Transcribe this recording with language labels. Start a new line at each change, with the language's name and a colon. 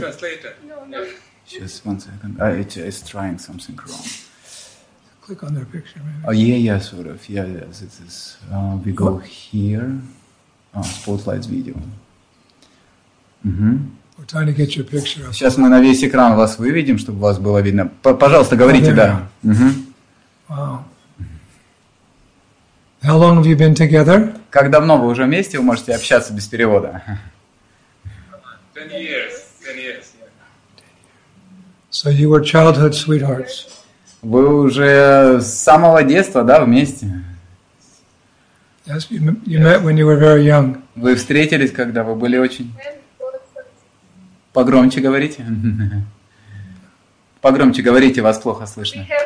English: Translator. No. Just one second. It's trying something wrong. Click on their picture, maybe. Oh yeah, yeah, sort of. Yeah, yes. It is. We go here. Oh, spotlight video. Mm-hmm. We're trying to get your picture.
Russian: Сейчас мы на весь экран вас выведем, чтобы вас было видно. Пожалуйста, говорите, да.
English: Mm-hmm. Wow. How long have you been together?
Russian: Как давно вы уже вместе? Вы можете общаться без перевода.
English: 10 years. 10 years. So you were childhood sweethearts.
Russian: Вы уже с самого детства, да, вместе?
English: Yes, you met when you were very young.
Russian: Вы встретились, когда вы были очень... Погромче говорите. Погромче говорите, вас плохо слышно.